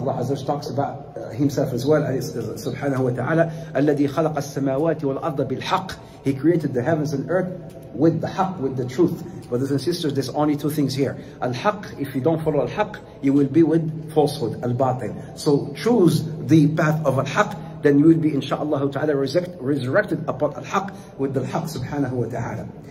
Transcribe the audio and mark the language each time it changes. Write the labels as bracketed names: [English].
[English] الله عز وجل talks about himself as well, [Arabic] سبحانه وتعالى. الذي خلق السماوات والأرض بالحق. [English] He created the heavens and earth with the حق, with the truth. Brothers and sisters, there's only two things here. الحق, if you don't follow الحق, you will be with falsehood, الباطل. So choose the path of الحق, then you will be, inshallah تعالى, resurrected upon الحق, with the الحق, [Arabic] سبحانه وتعالى.